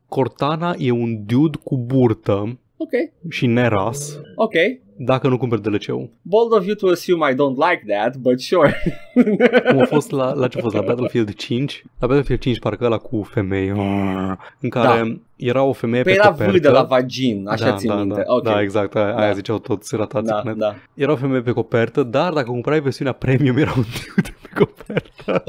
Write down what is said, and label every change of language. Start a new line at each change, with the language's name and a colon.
Romanian: Cortana e un dude cu burtă. Ok. Și neras. Ok. Dacă nu cumperi DLC-ul.
English: Bold of you to assume I don't like that, but sure.
Romanian: Cum a fost la ce a fost? La Battlefield 5? La Battlefield 5 parcă ăla cu femei. În care da. Era o femeie pe copertă. Păi era de la vagin, așa da, ții da, minte. Da, okay. Da, exact. Aia da. Ziceau toți ratați. Da, da. Era o femeie pe copertă, dar dacă cumpărai versiunea premium, era un dude pe copertă.